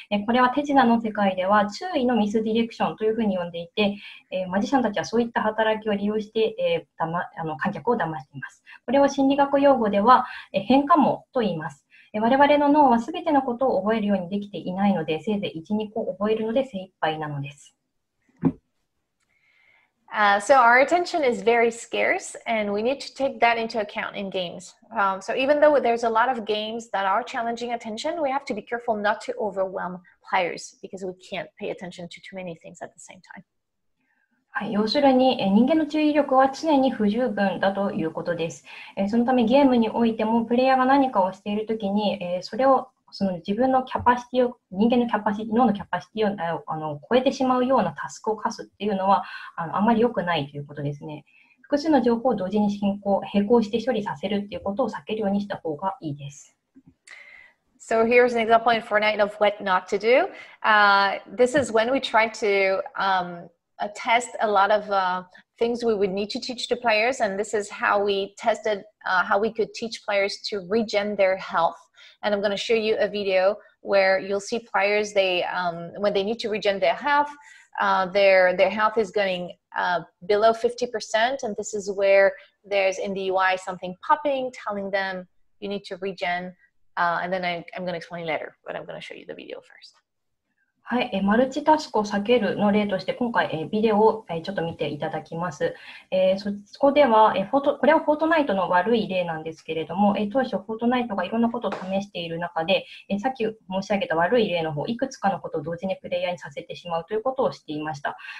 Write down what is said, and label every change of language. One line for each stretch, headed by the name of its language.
Japanese: これは手品の世界では注意のミスディレクションというふうに呼んでいて、マジシャンたちはそういった働きを利用して、観客を騙しています。これを心理学用語では、変化もと言います。我々の脳はすべてのことを覚えるようにできていないので、せいぜい1、2個覚えるので精一杯なのです。
English: So our attention is very scarce, and we need to take that into account in games. So even though there's a lot of games that are challenging attention, we have to be careful not to overwhelm players because we can't pay attention to too many things at the same time.
Japanese: はい、要するに人間の注意力は常に不十分だということです。そのためゲームにおいてもプレイヤーが何かをしているときに、それをその自分のキャパシティを、人間のキャパシティ、脳のキャパシティを超えてしまうようなタスクを課すっていうのはあまり良くないということですね。複数の情報を同時に進行、並行して処理させるっていうことを避けるようにした方がいいです。
English: So here's an example in Fortnite of what not to do. This is when we try to test a lot of things we would need to teach to players, and this is how we tested how we could teach players to regen their health. And I'm going to show you a video where you'll see players, they when they need to regen their health, their health is going below 50%, and this is where there's in the UI something popping telling them you need to regen, and then I'm going to explain later, but I'm going to show you the video firsth
Japanese: い、マルチタスクを避けるの例として今回ビデオをちょっと見ていただきます。そこではこれはフォートナイトの悪い例なんですけれども、当初フォートナイトがいろんなことを試している中で、さっき申し上げた悪い例の方、いくつかのことを同時にプレイヤーにさせてしまうということをしていました。